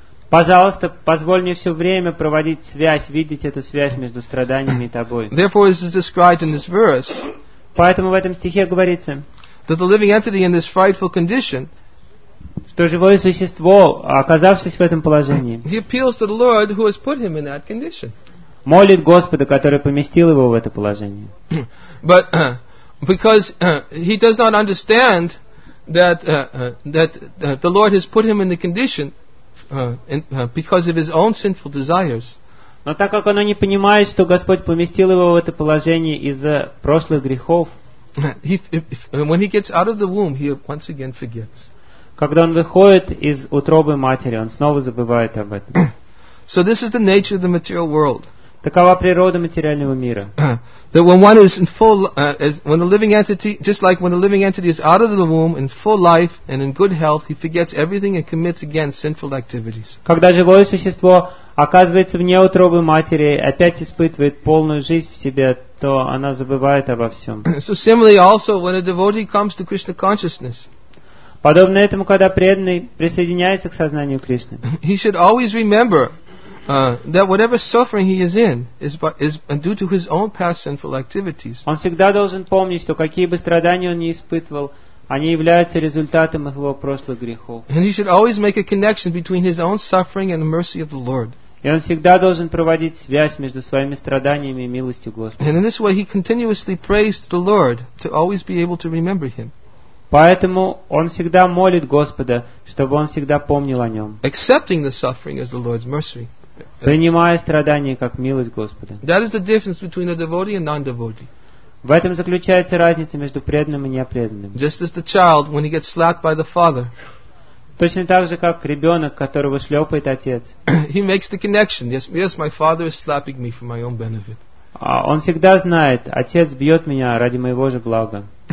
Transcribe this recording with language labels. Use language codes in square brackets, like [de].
[ru] Пожалуйста, позволь мне все время проводить связь, видеть эту связь между страданиями и тобой. [en] Therefore, this is described in this verse. [ru] Поэтому в этом стихе говорится, [en] that the living entity in this frightful condition, [ru] что живое существо, оказавшись в этом положении, [en] he appeals to the Lord who has put him in that condition. [ru] Молит Господа, который поместил его в это положение. [en] But because he does not understand that that the Lord has put him in the condition because of his own sinful desires. [ru] Но так как он не понимает, что Господь поместил его в это положение из-за прошлых грехов, [en] when he gets out of the womb, he once again forgets. [ru] Когда он выходит из утробы матери, он снова забывает об этом. [en] So this is the nature of the material world. [ru] Такова природа материального мира. [en] That when one is in full, when the living entity, just like when the living entity is out of the womb in full life and in good health, he forgets everything and commits again sinful activities. [ru] Когда живое существо оказывается вне утробы матери, опять испытывает полную жизнь в себе, то она забывает обо всем. [en] So similarly, also when a devotee comes to Krishna consciousness. [ru] Подобно этому, когда преданный присоединяется к сознанию Кришны. [en] He should always remember that whatever suffering he is in is due to his own past sinful activities. [ru] Он всегда должен помнить, что какие бы страдания он ни испытывал, они являются результатом его прошлых грехов. [en] And he should always make a connection between his own suffering and the mercy of the Lord. [ru] И он всегда должен проводить связь между своими страданиями и милостью Господа. [en] And in this way he continuously prays to the Lord to always be able to remember him. [ru] Поэтому он всегда молит Господа, чтобы он всегда помнил о нем. [en] Accepting the suffering as the Lord's mercy. [ru] Принимая страдания как милость Господа. [en] That is the difference between a devotee and non-devotee. [ru] В этом заключается разница между преданным и непреданным. [en] Just as the child when he gets slapped by the father. [ru] Точно так же, как ребенок, которого шлепает отец. [en] He makes the connection. Yes, my father is slapping me for my own benefit. [ru] Он всегда знает, отец бьет меня ради моего же блага.